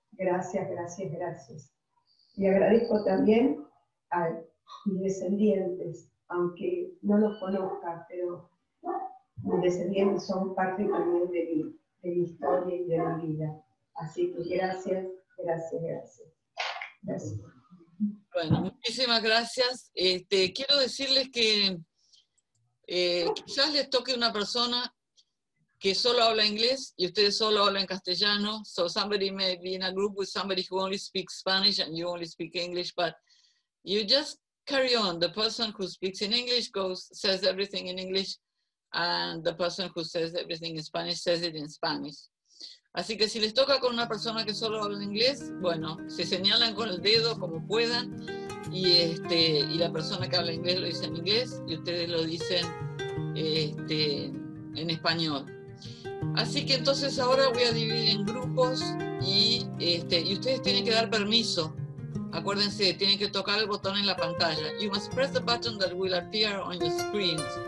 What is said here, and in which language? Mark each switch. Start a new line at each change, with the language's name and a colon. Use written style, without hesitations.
Spanish: Gracias, gracias, gracias. Y agradezco también a mis descendientes, aunque no los conozca, pero mis descendientes son parte también de mi historia y de mi vida. Así que gracias, gracias, gracias. Gracias. Bueno, muchísimas gracias. Quiero decirles que quizás les toque una persona que solo habla inglés y ustedes solo hablan castellano.
English: So somebody may be in a group with somebody who only speaks Spanish and you only speak English, but you just carry on. The person who speaks in English says everything in English, and the person who says everything in Spanish says it in Spanish.
Spanish: Así que si les toca con una persona que solo habla inglés, bueno, se señalan con el dedo como puedan y la persona que habla inglés lo dice en inglés y ustedes lo dicen en español. Así que entonces ahora voy a dividir en grupos y ustedes tienen que dar permiso. Acuérdense, tienen que tocar el botón en la pantalla.
English: You must press the button that will appear on your screen.